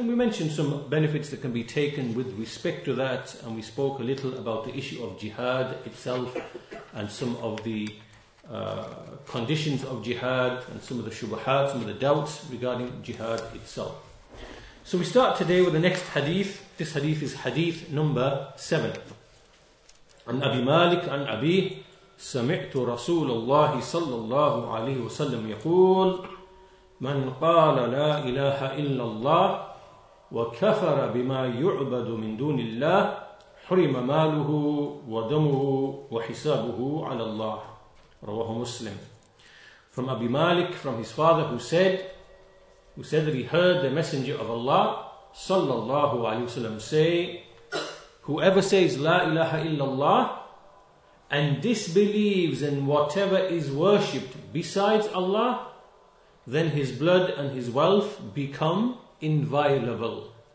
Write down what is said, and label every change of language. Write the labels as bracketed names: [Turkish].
[English] And we mentioned some benefits that can be taken with respect to that, and we spoke a little about the issue of jihad itself and some of the conditions of jihad and some of the shubahat, some of the doubts regarding jihad itself. So we start today with the next hadith. This hadith is hadith number 7. [Arabic] An Abi Malik an Abi Sami'tu Rasulullah sallallahu alayhi wa sallam yaqul, من قال لا إله إلا الله وكفر بما يعبد من دون الله حرم ماله ودمه وحسابه على الله. رواه مسلم. [English] From Abi Malik, from his father, who said that he heard the Messenger of Allah صلى الله عليه وسلم say, whoever says لا إله إلا الله and disbelieves in whatever is worshipped besides Allah, then his blood and his wealth become inviolable.